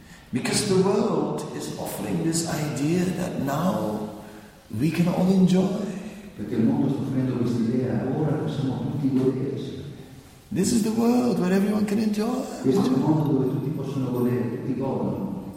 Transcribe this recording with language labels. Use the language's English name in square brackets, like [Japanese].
[English] Because the world is offering this idea that now we can all enjoy. [Italian] Perché il mondo sta offrendo questa idea, ora possiamo tutti godere. [English] This is the world where everyone can enjoy. [Italian] Questo è il mondo dove tutti possono godere, tutti godono.